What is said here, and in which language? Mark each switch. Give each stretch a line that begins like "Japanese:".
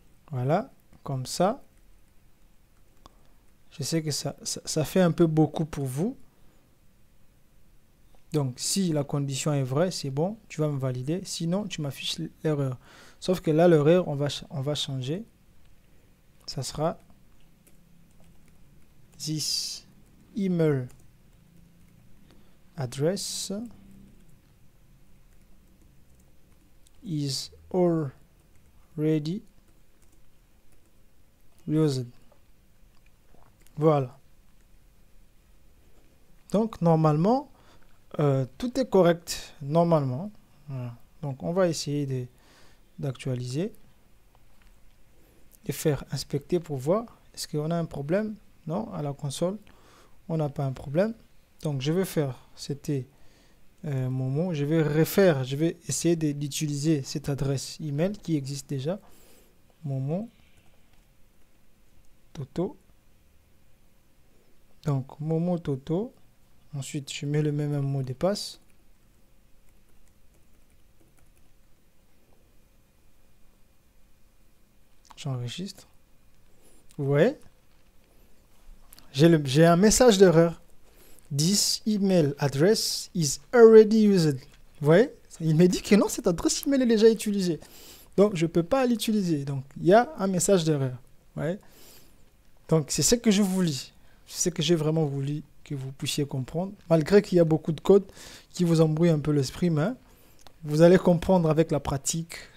French: Voilà, comme ça. Je sais que ça fait un peu beaucoup pour vous. Donc, si la condition est vraie, c'est bon, tu vas me valider. Sinon, tu m'affiches l'erreur. Sauf que là, l'erreur, on va changer. Ça sera
English: this email address is already used.
French: Voilà. Donc, normalement, tout est correct. Normalement. Voilà. Donc, on va essayer d'actualiser et faire inspecter pour voir est-ce qu'on a un problème. Non, à la console, on n'a pas un problème. Donc, je vais faire, c'était mon mot. Je vais refaire, je vais essayer d'utiliser cette adresse email qui existe déjà. Mon mot. Toto. Donc, Momo Toto. Ensuite, je mets le même mot de passe. J'enregistre. Ouais. J'ai un message d'erreur.
English: This email address is already used.
French: Ouais. Il me dit que non, cette adresse email est déjà utilisée. Donc, je ne peux pas l'utiliser. Donc, il y a un message d'erreur. Ouais. Donc, c'est ce que je vous lis. C'est ce que j'ai vraiment voulu que vous puissiez comprendre. Malgré qu'il y a beaucoup de code qui vous embrouille un peu l'esprit, mais vous allez comprendre avec la pratique.